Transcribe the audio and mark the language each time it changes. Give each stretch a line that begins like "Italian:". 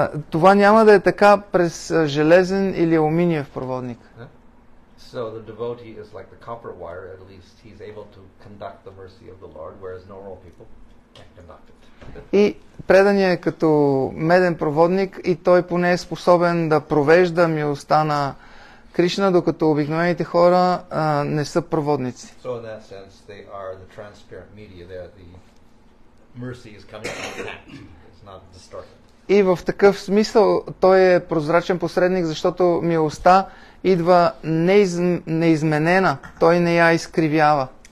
Bulgarian: Това няма да е така през железен или алуминиев проводник.
English: So the devotee is like the copper wire, at least he's able to conduct the mercy of the Lord, whereas normal people can't conduct it.
Bulgarian: И предание като меден проводник и той поне е способен да провежда милостта на Кришна, докато обикновените хора не са проводници.
English: So in that sense they are the transparent media, there the mercy is coming from that, it's not distorted.
Bulgarian: И в такъв смисъл той е прозрачен посредник, защото милостта идва неизменена, той не я изкривява.